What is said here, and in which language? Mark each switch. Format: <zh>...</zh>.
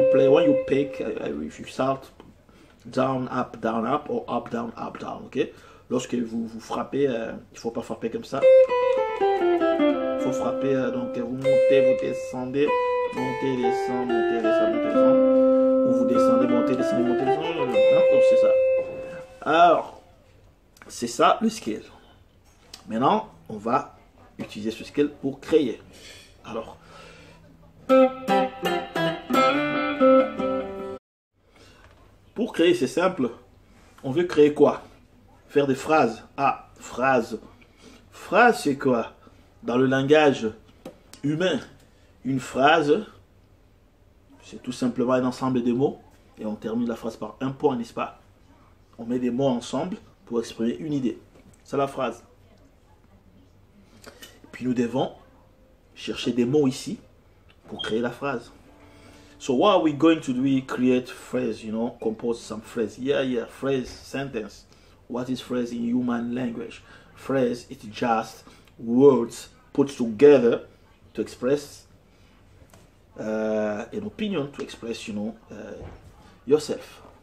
<en>When you pick, if you start down, up, down, up, or up, down, up, down, okay?</en> <fr>Lorsque vous frappez, il faut pas frapper comme ça. Il faut frapper, donc vous montez, vous descendez, montez, descend, montez, descend, montez, descend. Ou vous descendez, montez, descendez, montez, descend. Hein? Donc c'est ça. Alors, c'est ça le skill. Maintenant, on va utiliser ce skill pour créer. Alors, pour créer, c'est simple. On veut créer quoi? Faire des phrases. Ah, phrase. Phrase, c'est quoi? Dans le langage humain, une phrase, c'est tout simplement un ensemble de mots. Et on termine la phrase par un point, n'est-ce pas? On met des mots ensemble pour exprimer une idée. C'est la phrase. Puis nous devons chercher des mots ici pour créer la phrase.</fr> <en>So what are we going to do? We create phrase, you know, compose some phrase. Yeah, phrase, sentence. What is phrase in human language? Phrase, it's just words put together to express an opinion, to express, you know, yourself.</en>